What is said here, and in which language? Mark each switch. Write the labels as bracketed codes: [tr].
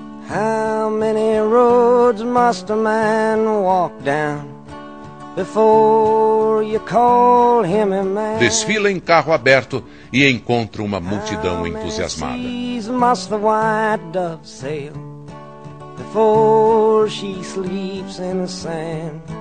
[en] How many roads must a man walk down before you call him a man? [pt] Desfila em carro aberto e encontra uma multidão entusiasmada. [en] How many seas must the white dove sail before she sleeps in the sand?